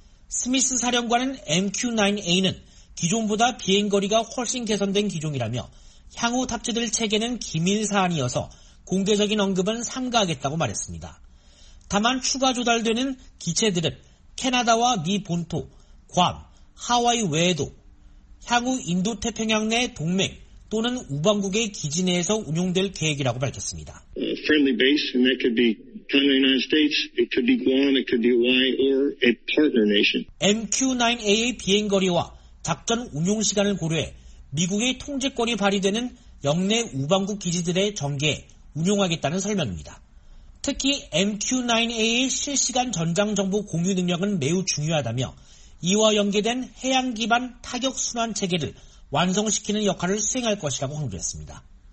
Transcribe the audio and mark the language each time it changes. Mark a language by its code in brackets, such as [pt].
[ko] 스미스 사령관은 MQ-9A는 기존보다 비행거리가 훨씬 개선된 기종이라며 향후 탑재될 체계는 기밀 사안이어서 공개적인 언급은 삼가하겠다고 말했습니다. 다만 추가 조달되는 기체들은 캐나다와 미 본토, 괌, 하와이 외에도 향후 인도태평양 내 동맹 또는 우방국의 기지 내에서 운용될 계획이라고 밝혔습니다. [en] Friendly base, and that could be China, United States, it could be Guam, it could be Hawaii, or a partner nation. [ko] MQ-9A의 비행거리와 작전 운용시간을 고려해 미국의 통제권이 발휘되는 영내 우방국 기지들의 전개에 운용하겠다는 설명입니다. 특히 MQ-9A의 실시간 전장 정보 공유 능력은 매우 중요하다며 이와 연계된 해양 기반 타격 순환 체계를 완성시키는 역할을 수행할 것이라고 강조했습니다.